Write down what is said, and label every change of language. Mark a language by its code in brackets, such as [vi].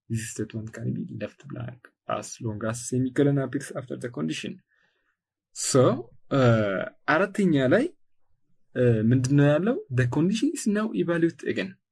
[en] This statement can be left blank as long as semicolon appears after the condition. [am] So, አራተኛ ላይ ምንድነው ያለው? [en] The condition is now evaluated again.